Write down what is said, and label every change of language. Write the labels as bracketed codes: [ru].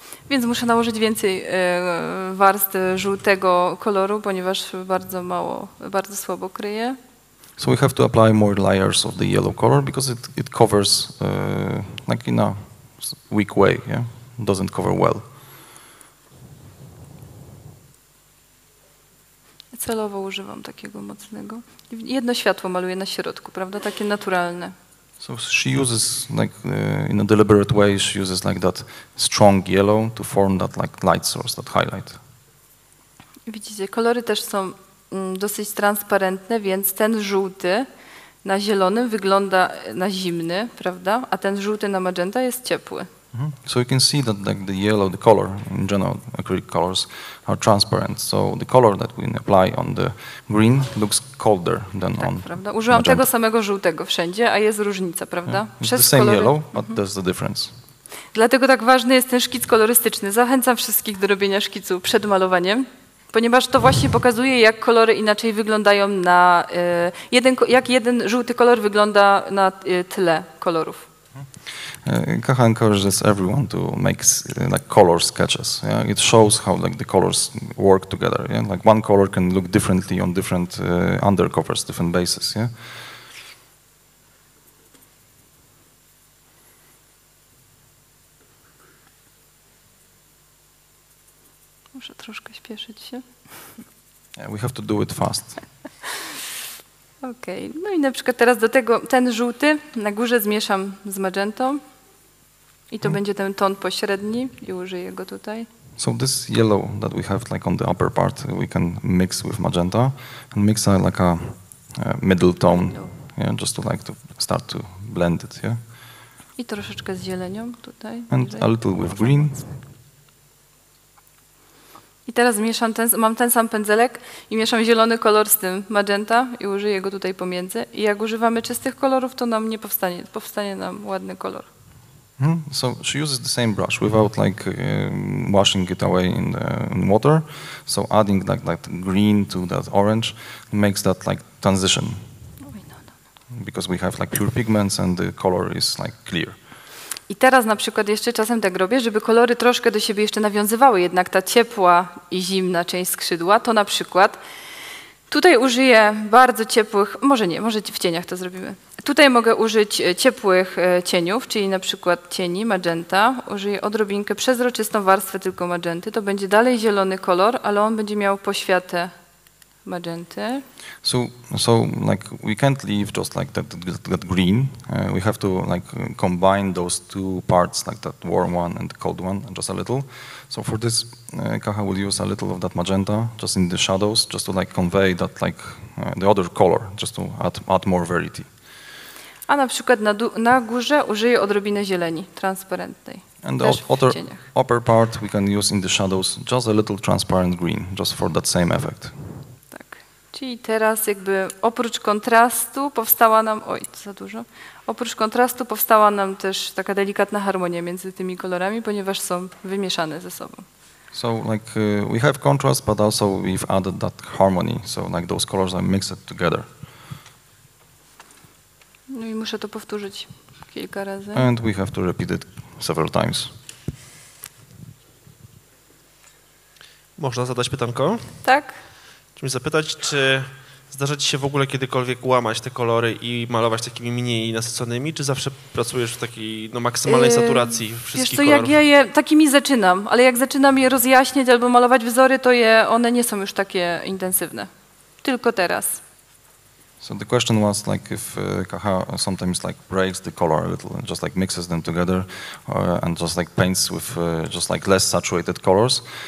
[pl] Więc muszę nałożyć więcej warstw żółtego koloru, ponieważ bardzo mało, bardzo słabo kryje. [en] So we have to apply more layers of the yellow color because it covers like in a weak way, yeah? Doesn't cover well. [pl] Celowo używam takiego mocnego. Jedno światło maluję na środku, prawda? Takie naturalne. [en] So she uses like in a deliberate way. She uses like that strong yellow to form that like light source, that highlight. [pl] Widzicie, kolory też są dosyć transparentne, więc ten żółty na zielonym wygląda na zimny, prawda? A ten żółty na magenta jest ciepły. Mm-hmm. [en] So you can see that like the yellow, the color in general, acrylic colors are transparent. So the color that we apply on the green looks colder than [pl] tak, [en] on. [pl] Prawda? Użyłam magenta. Tego samego żółtego wszędzie, a jest różnica, prawda? [en] Yeah. It's the same yellow, but mm-hmm. there's the difference. [pl] Dlatego tak ważny jest ten szkic kolorystyczny. Zachęcam wszystkich do robienia szkicu przed malowaniem, ponieważ to właśnie pokazuje, jak kolory inaczej wyglądają na jak jeden żółty kolor wygląda na tle kolorów. [en] Kaha encourages everyone to make like color sketches. Yeah? It shows how like the colors work together. Yeah? Like one color can look differently on different undercovers, different bases. Yeah? [pl] Muszę troszkę śpieszyć się. [en] Yeah, we have to do it fast. [pl] Okej. Okay. No i na przykład teraz do tego ten żółty na górze zmieszam z magentą. I to będzie ten ton pośredni i użyję go tutaj. [en] So this yellow that we have like on the upper part, we can mix with magenta and mix a, like a middle tone, yeah, just to like to start to blend it, yeah. [pl] I troszeczkę z zielenią tutaj. [en] And a little with green. [pl] I teraz mieszam mam ten sam pędzelek i mieszam zielony kolor z tym magenta i użyję go tutaj pomiędzy. I jak używamy czystych kolorów, to nam nie powstanie, powstanie nam ładny kolor. Mm-hmm. [en] So she uses the same brush without like washing it away in water. So adding like green to that orange makes that like transition. Because we have like pure pigments and the color is like clear. [pl] I teraz na przykład jeszcze czasem tak robię, żeby kolory troszkę do siebie jeszcze nawiązywały, jednak ta ciepła i zimna część skrzydła, to na przykład tutaj użyję bardzo ciepłych, może nie, może w cieniach to zrobimy. Tutaj mogę użyć ciepłych cieniów, czyli na przykład cieni magenta. Użyję odrobinkę przezroczystą warstwę tylko magenty. To będzie dalej zielony kolor, ale on będzie miał poświatę magenty. [en] So like we can't leave just like that green. We have to like combine those two parts, like that warm one and the cold one, and just a little. So for this, Kaha will use a little of that magenta, just in the shadows, just to like convey that like the other color, just to add more variety. [pl] A na przykład na górze użyję odrobinę zieleni transparentnej. [en] And the upper part we can use in the shadows just a little transparent green, just for that same effect. [pl] Tak. Czyli teraz jakby oprócz kontrastu powstała nam. Oj, to za dużo. Oprócz kontrastu powstała nam też taka delikatna harmonia między tymi kolorami, ponieważ są wymieszane ze sobą. [en] So like we have contrast, but also we've added that harmony. So like those colors are mixed together. [pl] No i muszę to powtórzyć kilka razy. [en] And we have to repeat it several times. [pl] Można zadać pytanko? Tak. Chciałbym zapytać, czy zdarza ci się w ogóle kiedykolwiek łamać te kolory i malować takimi mniej nasyconymi, czy zawsze pracujesz w takiej no, maksymalnej saturacji wszystkich wiesz co, kolorów? Jak ja je takimi zaczynam, ale jak zaczynam je rozjaśniać albo malować wzory, to one nie są już takie intensywne. Tylko teraz. [en] So the question was like if Kaha sometimes like breaks the color a little and just like mixes them together and just like paints with just like less saturated colors.